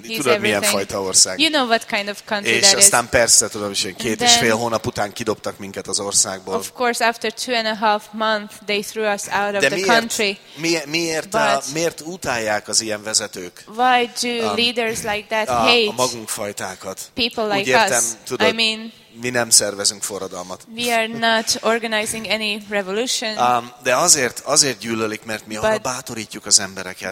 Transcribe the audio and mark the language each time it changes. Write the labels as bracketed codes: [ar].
[hu] Tudod, milyen fajta ország. [en] You know what kind of country [hu] és [en] that is. [hu] És aztán persze, tudom, és két és fél hónap után kidobtak minket az országból. [en] Of course, after 2.5 months, they threw us out of the country. [hu] Miért utálják az ilyen vezetők? [en] Why do leaders like that hate [hu] a magunk fajtákat? [en] People like us. I mean, [hu] mi nem szervezünk forradalmat. [en] We are not organizing any revolution. [hu] De azért gyűlölik, mert mi arra bátorítjuk az embereket.